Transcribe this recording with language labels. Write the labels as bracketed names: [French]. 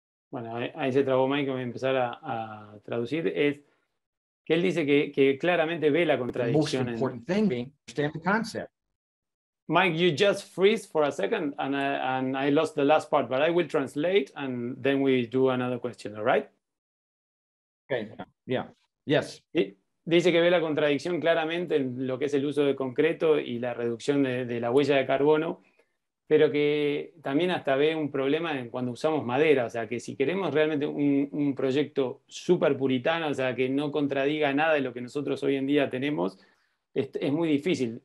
[Spanish] bueno, ahí se trabó Mike, voy a empezar a traducir. Es que él dice que claramente ve la contradicción. [English] The most important thing being understand the concept. Mike, you just freeze for a second and I lost the last part, but I will translate and then we do another question, all right? Okay, yeah, yes. [Spanish] Dice que ve la contradicción claramente en lo que es el uso de concreto y la reducción de la huella de carbono, pero que también hasta ve un problema en cuando usamos madera, o sea, que si queremos realmente un proyecto súper puritano, o sea, que no contradiga nada de lo que nosotros hoy en día tenemos, es muy difícil.